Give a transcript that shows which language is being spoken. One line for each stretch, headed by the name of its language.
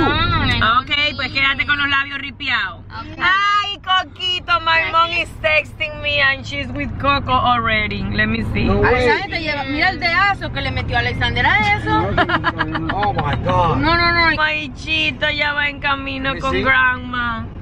Spanish: No, okay, pues quédate con los labios ripiados.
English: Okay. Ay, Coquito, my mom is texting me and she's with Coco already. Let me see. No way.
Spanish: Mira el dedazo que le metió a Alexander a eso.
English: Oh my God. No.
Spanish: My chito ya va en camino con grandma.